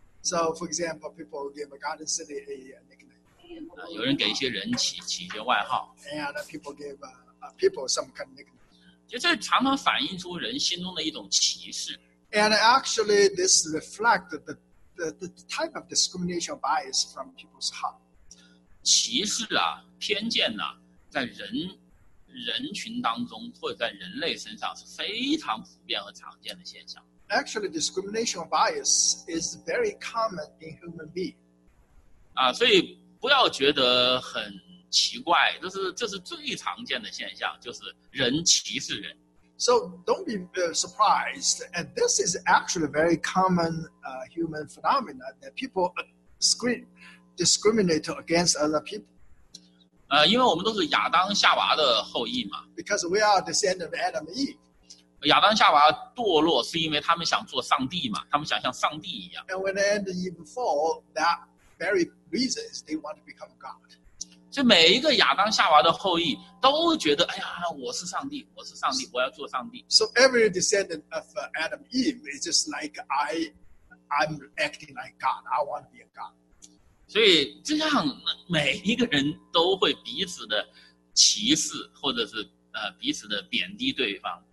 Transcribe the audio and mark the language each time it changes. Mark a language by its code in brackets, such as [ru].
[en] So, for example, people give Garden City a nickname. [zh] 有人给一些人起一些外号。 [en] And people give people some kind of nickname. [zh] 就这常常反映出人心中的一种歧视。 [en] And actually, this reflects the type of discrimination bias from people's heart. [zh] 歧视啊，偏见呐、在人群当中或者在人类身上是非常普遍和常见的现象。 [en] Actually, discrimination bias is very common in human being. [zh] 所以不要觉得很。奇怪，这是最常见的现象，就是人歧视人。 [en] So don't be surprised, and this is actually a very common human phenomenon that people discriminate against other people. [zh] 因为我们都是亚当夏娃的后裔嘛。 [en] Because we are descendants of Adam and Eve. [zh] 亚当夏娃堕落是因为他们想做上帝嘛，他们想像上帝一样。 [en] And when Adam and Eve fall, that very reason is they want to become God. [zh] 所以每一个亚当夏娃的后裔都觉得，哎呀，我是上帝，我是上帝，我要做上帝。 [en] So every descendant of Adam and Eve is just like I'm acting like God. I want to be a God. [zh] 所以这样每一个人都会彼此的歧视，或者是彼此的贬低对方。